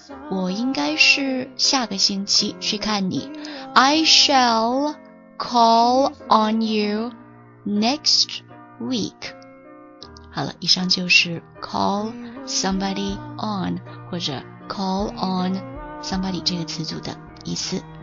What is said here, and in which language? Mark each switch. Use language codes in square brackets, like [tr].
[zh] 我应该是下个星期去看你。 [en] I shall call on you next week。 [zh] 好了，以上就是 call somebody on 或者 call onSomebody 这个词组的意思。